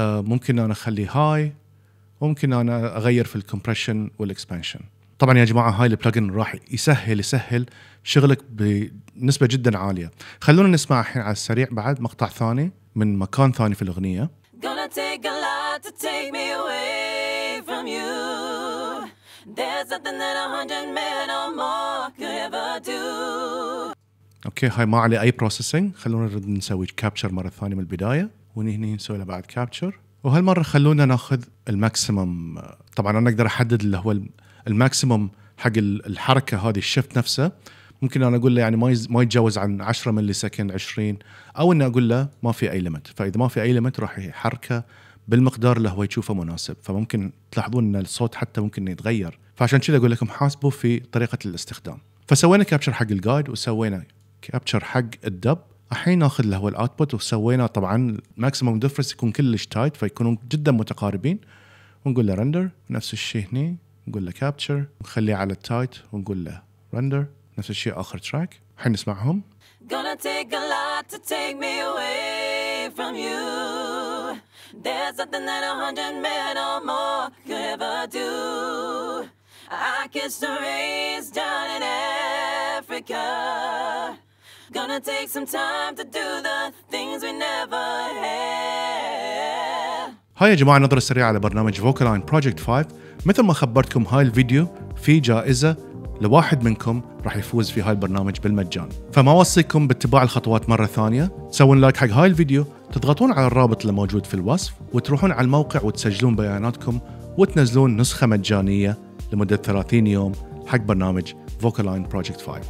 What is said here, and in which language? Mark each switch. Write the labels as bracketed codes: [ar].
[ar] ممكن انا اخلي هاي، ممكن انا اغير في الكمبريشن والاكسبانشن. طبعا يا جماعه هاي البلاجن راح يسهل شغلك بنسبه جدا عاليه. خلونا نسمع الحين على السريع بعد مقطع ثاني من مكان ثاني في الاغنيه. [en] Gonna take a lot to take me away from you. There's nothing that 100 men or more could ever do. [ar] اوكي هاي ما عليه اي بروسيسنج، خلونا نرد نسوي كابتشر مره ثانيه من البدايه، وهنا نسوي له بعد كابتشر، وهالمره خلونا ناخذ الماكسيمم. طبعا انا اقدر احدد اللي هو الماكسيموم حق الحركة هذه، الشفت نفسه. ممكن أنا أقول له يعني ما يتجاوز عن 10 ملي سكند 20، أو أن أقول له ما في أي ليمت. فإذا ما في أي ليمت راح يحركه بالمقدار اللي هو يشوفه مناسب. فممكن تلاحظون أن الصوت حتى ممكن يتغير. فعشان كذا أقول لكم حاسبوا في طريقة الاستخدام. فسوينا كابتشر حق الجايد وسوينا كابتشر حق الدب. الحين ناخذ اللي هو الأوتبوت وسوينا طبعا ماكسيموم ديفرنس يكون كلش تايت، فيكونون جدا متقاربين، ونقول له رندر، نفس الشيء هني نقول له كابتشر، نخليه على التايت ونقول له رندر، نفس الشيء آخر تراك. حين نسمعهم [en] Gonna take a lot to take me away from you. There's nothing that 100 men or more could ever do. I kiss the rains down in Africa. Gonna take some time to do the things we never had. [ar] هاي يا جماعة نظرة سريعة على برنامج Vocaline Project 5. مثل ما خبرتكم هاي الفيديو في جائزة لواحد منكم راح يفوز في هاي البرنامج بالمجان، فما وصيكم باتباع الخطوات مرة ثانية، تسوون لايك حق هاي الفيديو، تضغطون على الرابط اللي موجود في الوصف، وتروحون على الموقع وتسجلون بياناتكم وتنزلون نسخة مجانية لمدة 30 يوم حق برنامج Vocaline Project 5.